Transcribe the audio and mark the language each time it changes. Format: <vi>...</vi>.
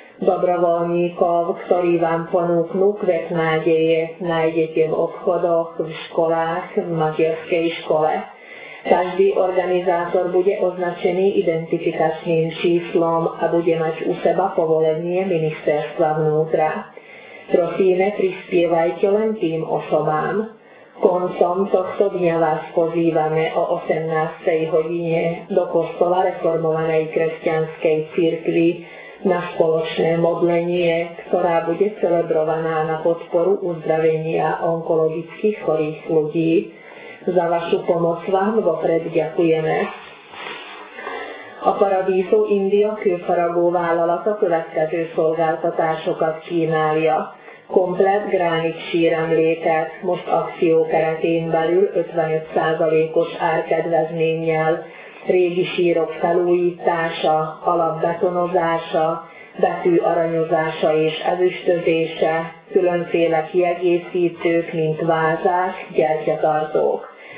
<sk>Dobrovoľníkov, ktorí vám ponúknú kvet nádeje, nájdete v obchodoch, v školách, v materskej škole. Každý organizátor bude označený identifikačným číslom a bude mať u seba povolenie ministerstva vnútra. Prosíme, prispievajte len tým osobám. Koncom tohto dňa vás pozývame o 18. hodine do kostola reformovanej kresťanskej cirkvi na spoločné modlenie, ktorá bude celebrovaná na podporu uzdravenia onkologických chorých ľudí. Za vašu pomoc vám vopred ďakujeme.</sk> <hu>A Paradiso India külfaragó vállalata következő szolgáltatásokat kínálja. Komplett gránit síremléket most akció keretén belül 55%-os árkedvezménnyel, régi sírok felújítása, alapbetonozása, betű aranyozása és ezüstözése, különféle kiegészítők, mint vázás, gyertyatartók.</hu>